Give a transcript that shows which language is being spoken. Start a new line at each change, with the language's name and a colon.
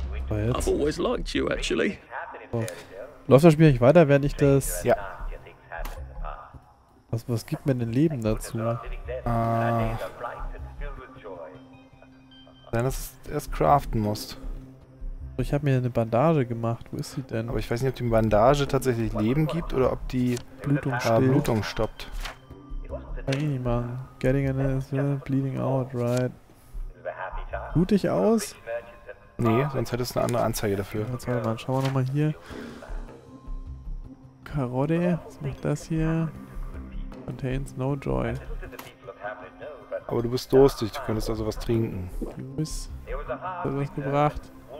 English: I've always liked you, actually.
German: Läuft das Spiel nicht weiter, während ich das... Ja. Was gibt mir denn Leben dazu? Dann, dass du erst craften musst. Ich habe mir eine Bandage gemacht. Wo ist sie denn? Aber ich weiß nicht, ob die Bandage tatsächlich Leben gibt oder ob die Blutung stoppt.
English: Hey, man. Getting in is bleeding out, right?
German: Blut dich aus? Nee, sonst hättest du eine andere Anzeige dafür. Jetzt warte mal, schauen wir nochmal hier. Karotte, was macht das hier?
English: Contains no joy.
German: Aber du bist durstig, du könntest also was trinken. Luis, du hast was gebracht.